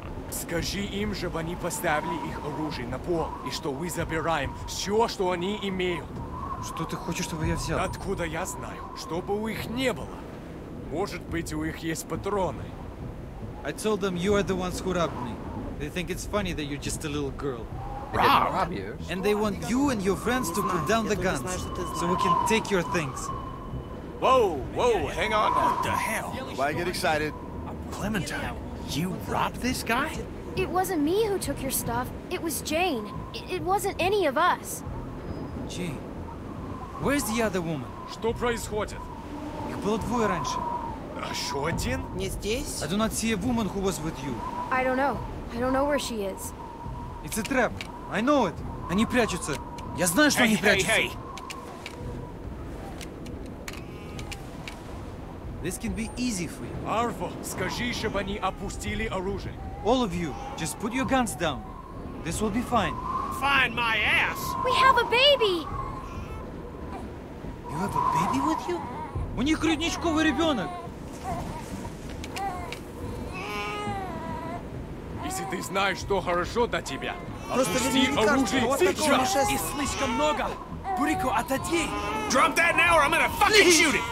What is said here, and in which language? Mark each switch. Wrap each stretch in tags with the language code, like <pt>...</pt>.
<ru>Скажи им, чтобы они поставили их оружие на пол, и что мы забираем все, что они имеют. Что ты хочешь, чтобы я взял? Откуда я знаю? Чтобы у их не было. Может быть, у их есть патроны.</ru> <en>I told them you are the ones who robbed me. They think it's funny that you're just a little girl. Robbed? And they want you and your friends to put down the guns, so we can take your things. Whoa, whoa, hang on. What the hell? Why get excited? Clementine, you robbed this guy? It wasn't me who took your stuff. It was Jane. It wasn't any of us. Jane, where's the other woman?</en> <ru>Что происходит? Их было двое раньше. Еще один? Не здесь?</ru> <en>I do not see a woman who was with you. I don't know. I don't know where she is. It's a trap. I know it.</en> <ru>Они прячутся. Я знаю, что они прячутся.</ru> <en>Hey. This can be easy for you.</en> <ru>Арво, скажи, чтобы они опустили оружие.</ru> <en>All of you, just put your guns down. This will be fine. Fine my ass! We have a baby! You have a baby with you?</en> <ru>У них грудничковый ребенок. Если ты знаешь, что хорошо для тебя, просто опусти оружие сейчас! И слишком много! Бурико, отойди!</ru> <en>Drop that now or I'm gonna fucking shoot it!</en>